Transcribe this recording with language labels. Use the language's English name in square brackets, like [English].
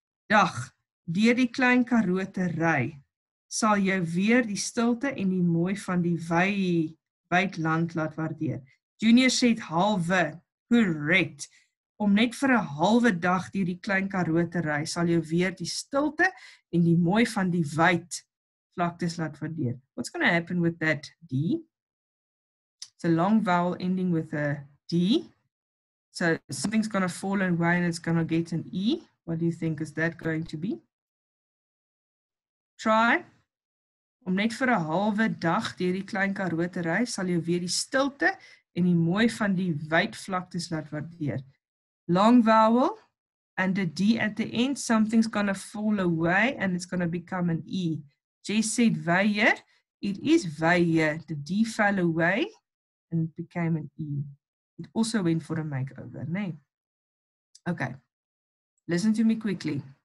[Afrikaans] Dag, deur die klein Karoo te ry, sal jy weer die stilte en die mooi van die wyd land laat waardeer. Junior sê halwe, correct. Om net vir 'n halwe dag deur die klein Karoo te ry, sal jy weer die stilte en die mooi van die wyd vlaktes laat waardeer. [English] What's going to happen with that D? It's a long vowel ending with a D. So something's going to fall away and it's going to get an E. What do you think is that going to be? Try. [Afrikaans] Om net vir 'n halwe dag deur die klein Karoo te ry, sal jy weer die stilte en die mooi van die wyd vlaktes laat waardeer. [English] Long vowel and the D at the end, something's going to fall away and it's going to become an E. Jess said weier, it is weier. The D fell away and it became an E. It also went for a makeover, nee? Okay, listen to me quickly.